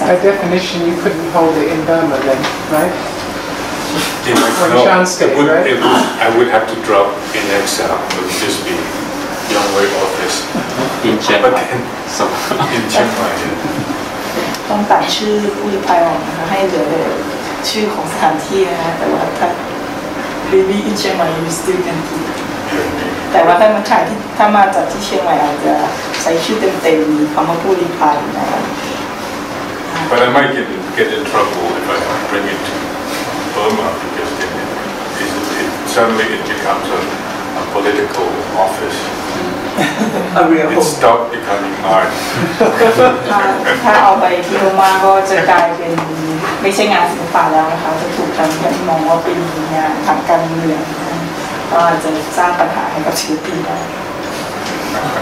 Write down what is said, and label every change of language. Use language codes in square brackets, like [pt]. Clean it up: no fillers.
[en] ด By definition you couldn't hold it in Burma then right in exile for chance it would, right? I would have to drop in exile it would just beYoung Wei office in Chiang Mai. So in Chiang Mai. [th] ต้องตัดชื่อผู้ลี้ภัยออกนะคะให้เหลือชื่อของสถานที่นะคะแต่ว่าถ้า [en] maybe in Chiang Mai you still can do it. [th] แต่ว่าถ้ามาถ่ายที่ถ้ามาจากที่เชียงใหม่อาจจะใช้ชื่อเต็มๆคำว่าผู้ลี้ภัยนะคะ [en] But I might get in trouble if I bring it to Burma because then suddenly it becomes a political office. A real it stopped becoming art. [th] ถ้าเอาไปที่โรมาก็จะกลายเป็นไม่ใช่งานศิลปะแล้วนะคะจะถูกทางการมองว่าเป็นงานทางการเมืองก็จะสร้างปัญหาให้กับชีวิตได้ [en] Okay.